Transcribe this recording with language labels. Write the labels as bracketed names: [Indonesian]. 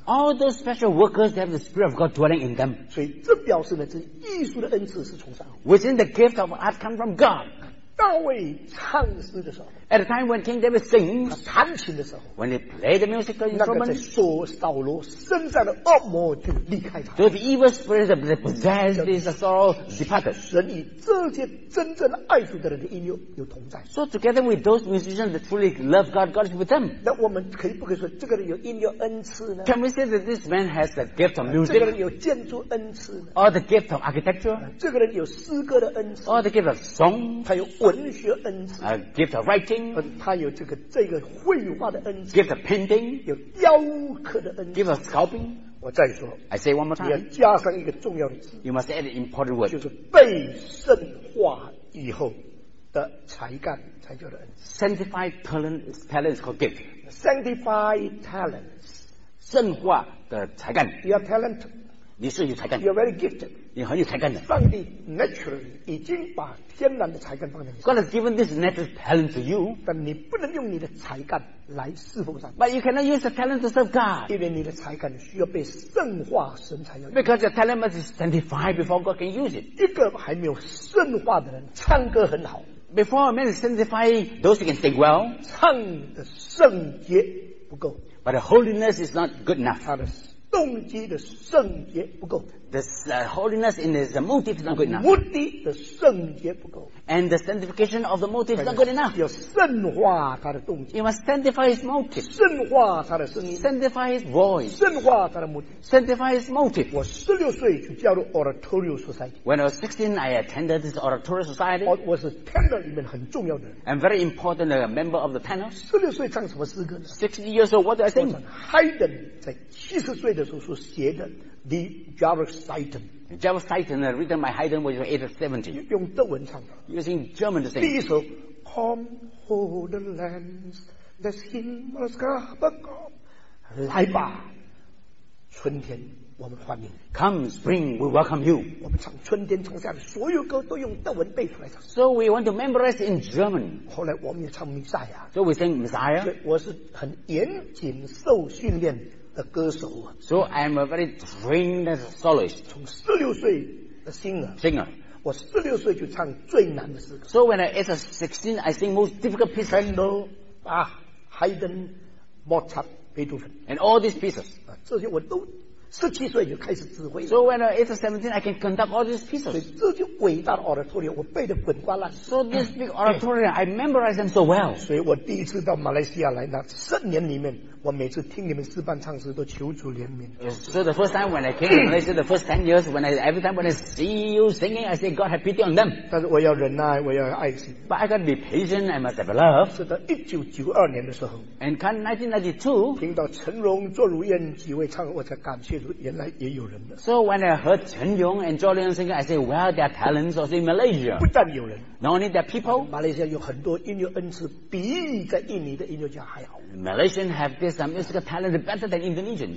[English] All those special workers have the spirit of God dwelling in them. [Chinese] 所以这表示呢，这艺术的恩赐是从上帝 [English] ，within the gift of art come from God. [Chinese] 大卫唱诗的时候 [English] ，At the time when King David sings， [Chinese] 弹琴的时候 [English] ，When he played the musical instrument， [Chinese] 那个在扫罗身上的恶魔就离开他。 [English] So the evil spirit that possessed his soul departed。 [Chinese] 神与这些真正爱主的人的音乐有同在。 [English] So together with those musicians that truly love God, God is with them。 [Chinese] 那我们可以不可以说这个人有音乐恩赐呢 [English] ？Can we say that this man has the gift of music？ [Chinese] 这个人有建筑恩赐呢 [English] ？Or the gift of architecture？ [Chinese] 这个人有诗歌的恩赐 [English] ？Or the gift of song？ [Chinese] 他有。文学恩赐 [English] ，a gift of writing， [Chinese] 他有这个绘画的恩赐 [English] ，gift of painting， [Chinese] 有雕刻的恩赐 [English] ，gift of sculpting。 [Chinese] 我再说 [English] ，I say one more time， [Chinese] 你要加上一个重要的字 [English] ，you must add an important word， [Chinese] 就是被圣化以后的才干才叫的恩赐 [English] ，sanctified talents called gift， sanctified talents， [Chinese] 圣化的才干 [English] ，your talent， [Chinese] 你是有才干 [English] ，you're very gifted。 [Chinese] 你很有才干的。上帝 [English] naturally [Chinese] 已经把天然的才干放在你身 [English] 上。God has given this natural talent to you， [Chinese] 但你不能用你的才干来侍奉上帝。 [English] But you cannot use the talent to serve God， [Chinese] 因为你的才干需要被圣化，神才要用。 [English] Because your talent must be sanctified before God can use it。 [Chinese] 一个还没有圣化的人，唱歌很好。 [English] Before a man is sanctified, those who can sing well， [Chinese] 唱的圣洁不够。 [English] But the holiness is not good enough。 [Chinese] 动机的圣洁不够 [English] ，the holiness in his motive is not good enough。 [Chinese] 目的的圣洁不够 [English] ，and the sanctification of the motive is not good enough。 [Chinese] 要圣化他的动机 [English] ，you must sanctify his motive。 [Chinese] 圣化他的声音 [English] ，sanctify his voice。 [Chinese] 圣化他的目的 [English] ，sanctify his motive。 [Chinese] 我十六岁就加入 Oratorio Society。 [English] When I was 16, I attended this Oratorio Society。 [Chinese] 我我是 tenor 里面很重要的人 [English] ，and very important a member of the tenor。 [Chinese] 十六岁唱什么诗歌 [English] ？16 years old, what do I sing？ [Chinese] Haydn 在70岁的。所写的 The Jarvisitan [English] Jarvisitan written by Haydn was 870 [Chinese] 用德文唱的 [English] using German to sing [Chinese] 第一首 Come Holy Lands Let's Himmel's Gabagam 来吧春天我们欢迎 [English] Come Spring We welcome you [Chinese] 我们唱春天唱下的所有歌都用德文背出来唱 [English] So we want to memorize in German [Chinese] 后来我们也唱弥赛亚 [English] So we sing Messiah [Chinese] 所以我是很严谨受训练的歌手啊 [English] ，So I'm a very trained soloist. [Chinese] 从十六岁的 singer， 我十六岁就唱最难的诗歌。 [English] So when I was 16, I sing most difficult pieces. Handel, Bach, Haydn, Mozart, Beethoven, and all these pieces. [Chinese] 啊，这些我都十七岁就开始指挥。 [English] So when I was 17, I can conduct all these pieces. [Chinese] 所以这些伟大的 oratorio 我背得滚瓜烂。 [English] So this big oratorio I memorize them so well. [Chinese] 所以我第一次到马来西亚来，那十年里面。我每次听你们诗班唱诗都求主怜悯。 [English] So the first time when I came to Malaysia, the first 10 years, when I, every time when I see you singing, I say, God have pity on them. [Chinese] 但是我要忍耐，我要爱心。 [English] But I got to be patient, I must have love. [Chinese] 是到1992年的时候。 [English] And come 1992, [Chinese] 听到陈荣、卓如燕几位唱，我才感谢 [English] So when I heard Chen Yong and Zhou Liang singing, I said, well, there are talents also in Malaysia. Not only there are people. [Chinese] Malaysia 有很多音乐恩赐, 比在印尼的音乐家还好。 [English] Malaysians have this musical talent better than Indonesians.